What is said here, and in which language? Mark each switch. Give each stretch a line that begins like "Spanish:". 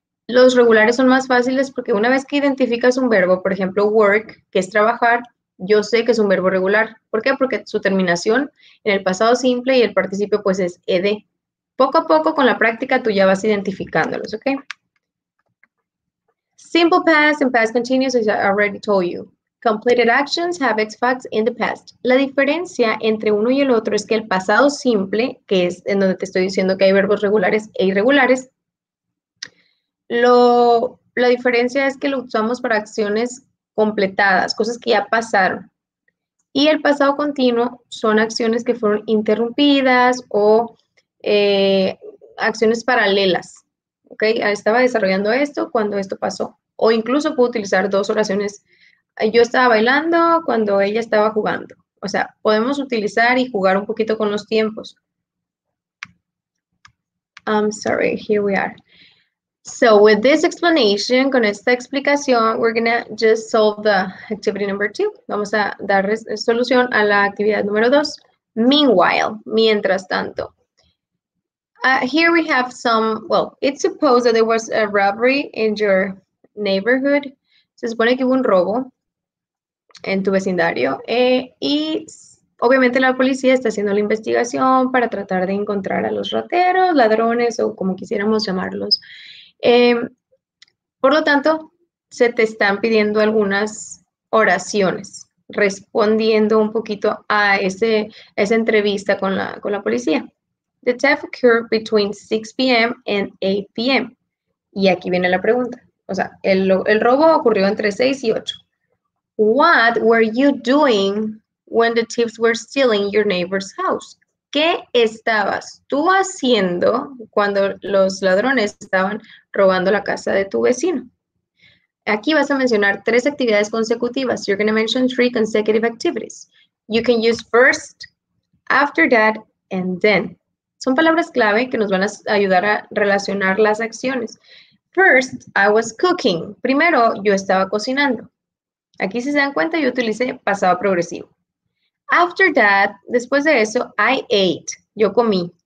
Spanish: Los regulares son más fáciles porque una vez que identificas un verbo, por ejemplo, work, que es trabajar, yo sé que es un verbo regular. ¿Por qué? Porque su terminación en el pasado simple y el participio pues es ed. Poco a poco con la práctica tú ya vas identificándolos, ¿ok?
English: Simple past and past continuous, as I already told you. Completed actions have its facts in the past.
Spanish: La diferencia entre uno y el otro es que el pasado simple, que es en donde te estoy diciendo que hay verbos regulares e irregulares, la diferencia es que lo usamos para acciones completadas, cosas que ya pasaron. Y el pasado continuo son acciones que fueron interrumpidas o acciones paralelas. ¿Okay? Estaba desarrollando esto cuando esto pasó. O incluso puedo utilizar dos oraciones. Yo estaba bailando cuando ella estaba jugando. O sea, podemos utilizar y jugar un poquito con los tiempos.
English: I'm sorry, here we are. So, with this explanation,
Spanish: con esta explicación,
English: we're going to just solve the activity number two.
Spanish: Vamos a dar solución a la actividad número dos.
English: Meanwhile,
Spanish: mientras tanto.
English: Here we have some, well, it's supposed that there was a robbery in your neighborhood.
Spanish: Se supone que hubo un robo en tu vecindario. Y obviamente la policía está haciendo la investigación para tratar de encontrar a los rateros, ladrones o como quisiéramos llamarlos. Por lo tanto, se te están pidiendo algunas oraciones, respondiendo un poquito a esa entrevista con la policía.
English: The theft occurred between 6 p.m. and 8 p.m.
Spanish: Y aquí viene la pregunta. O sea, el robo ocurrió entre 6 y 8.
English: What were you doing when the thieves were stealing your neighbor's house?
Spanish: ¿Qué estabas tú haciendo cuando los ladrones estaban robando la casa de tu vecino? Aquí vas a mencionar tres actividades consecutivas.
English: You're going to mention three consecutive activities. You can use first, after that, and then.
Spanish: Son palabras clave que nos van a ayudar a relacionar las acciones.
English: First, I was cooking.
Spanish: Primero, yo estaba cocinando. Aquí, si se dan cuenta, yo utilicé pasado progresivo.
English: After that,
Spanish: después de eso,
English: I ate.
Spanish: Yo comí.